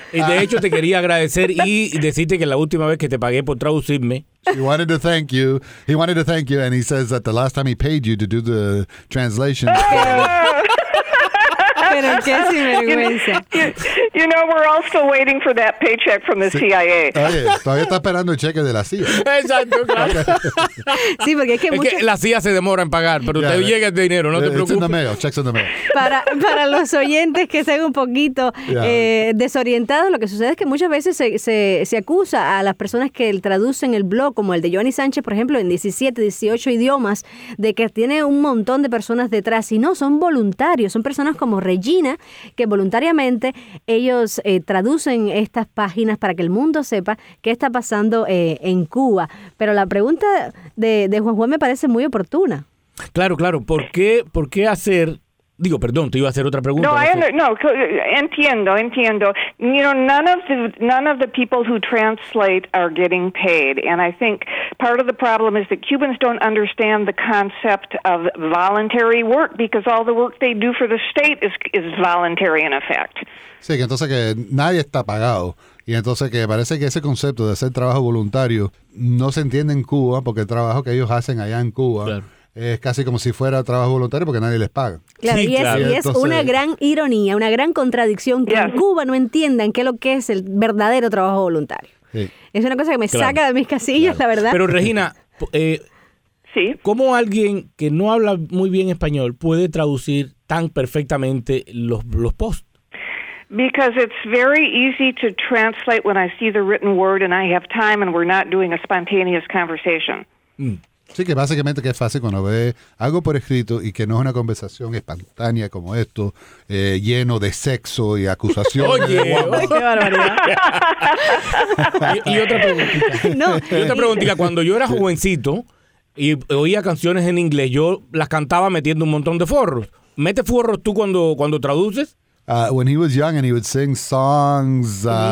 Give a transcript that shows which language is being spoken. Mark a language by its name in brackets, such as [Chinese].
[Spanish] Y de hecho, te quería agradecer y decirte que la última vez que te pagué por traducirme, [English] he wanted to thank you. He wanted to thank you, and he says that the last time he paid you to do the translation. [Spanish] Pero qué sinvergüenza. [English] You know, we're all still waiting for that paycheck from the [Spanish] sí. [English] CIA. [Spanish] Oye, todavía está esperando el cheque de la CIA. Exacto, claro. Okay. Sí, porque es que es que la CIA se demora en pagar, pero yeah, te llega el dinero, no te preocupes. [English] It's in the mail, checks in the mail. [Spanish] Para los oyentes que sean un poquito desorientados, lo que sucede es que muchas veces se acusa a las personas que traducen el blog, como el de Joanny Sánchez, por ejemplo, en 17, 18 idiomas, de que tiene un montón de personas detrás. Y no, son voluntarios, son personas como Regina, que voluntariamente ellos traducen estas páginas para que el mundo sepa qué está pasando en Cuba. Pero la pregunta de Juan Juan me parece muy oportuna. Claro, claro. ¿Por qué hacer? Digo, perdón, te iba a hacer otra pregunta. Entiendo. [English] You know, none of the people who translate are getting paid. And I think part of the problem is that Cubans don't understand the concept of voluntary work because all the work they do for the state is voluntary in effect. [Spanish] Sí, que entonces que nadie está pagado. Y entonces que parece que ese concepto de hacer trabajo voluntario no se entiende en Cuba porque el trabajo que ellos hacen allá en Cuba... Claro. Es casi como si fuera trabajo voluntario porque nadie les paga. Claro, sí, y es, claro. Y es entonces, una gran ironía, una gran contradicción que en Cuba no entiendan qué es lo que es el verdadero trabajo voluntario. Sí. Es una cosa que me saca de mis casillas, la verdad. Pero Regina, ¿sí? ¿Cómo alguien que no habla muy bien español puede traducir tan perfectamente los posts? [English] Because it's very easy to translate when I see the written word and I have time and we're not doing a spontaneous conversation. [Spanish] Sí, que básicamente que es fácil cuando ve algo por escrito y que no es una conversación espontánea como esto, lleno de sexo y acusaciones. Oye, qué barbaridad. Y otra preguntita. No. Y otra preguntita. Cuando yo era jovencito y oía canciones en inglés, yo las cantaba metiendo un montón de forros. ¿Mete forros tú cuando traduces? [English] When he was young and he would sing songs.